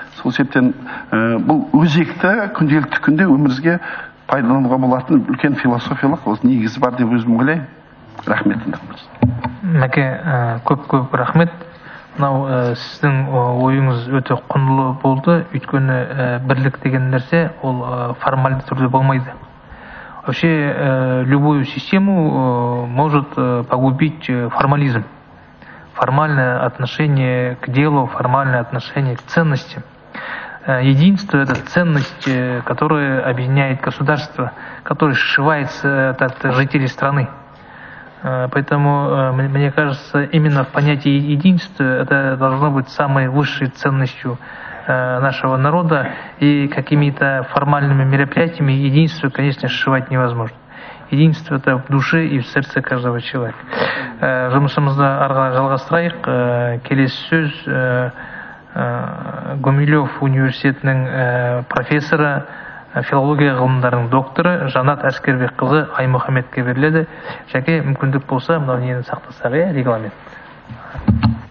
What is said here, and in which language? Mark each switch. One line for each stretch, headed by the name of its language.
Kazakh: Сол себептен бұл өзекті күнделікті күнде өмірімізге пайдалануға болатын үлкен философиялық негізі бар деп өзім ойлаймын. Рахмет. Мәке, көп-көп рахмет. Мынау сіздің ойыңыз өте құндылы болды, өйткені бірлік деген нәрсе ол формальды түрде болмайды.
Russian: Вообще любую систему может погубить формализм. Формальное отношение к делу, формальное отношение к ценности. Единство — это ценность, которая объединяет государство, которое сшивается от жителей страны. Поэтому, мне кажется, именно в понятии единства это должно быть самой высшей ценностью нашего народа, и какими-то формальными мероприятиями единство, конечно, сшивать невозможно. Единство — это в душе и в сердце каждого человека.
Kazakh: Жұмысымызды жалғастырайық. Келесі сөз Гумилев университетінің профессора, филология ғылымдарының докторы Жанат Әскербекқызы Аймұхамедке беріледі. Жәке, мүмкіндік болса, мынау нені сақтасақ, регламент.